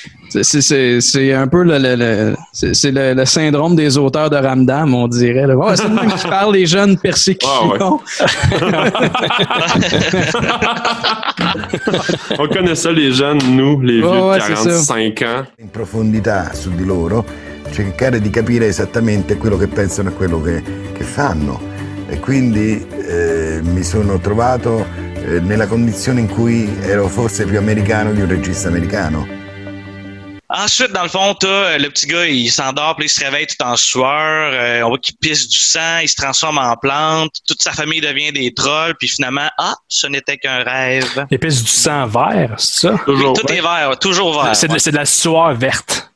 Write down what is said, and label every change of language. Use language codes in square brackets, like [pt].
[fr] C'est un peu le syndrome des auteurs de Ramdam, on dirait. Là. Oh, c'est le même qui parle les jeunes persécutions. Ah, ouais. On connaît ça, les jeunes, nous, les vieux de 45 ans. [it] In profondità su di loro, cercare di capire esattamente quello che pensano e quello che fanno. E quindi mi sono trovato nella condizione in cui ero forse più americano di un regista americano. [fr] Ensuite, dans le fond, t'as le petit gars, il s'endort, puis il se réveille tout en sueur. On voit qu'il pisse du sang, il se transforme en plante. Toute sa famille devient des trolls, puis finalement, ce n'était qu'un rêve. Il pisse du sang vert, c'est ça? Toujours. Tout est vert, toujours vert. C'est de la sueur verte.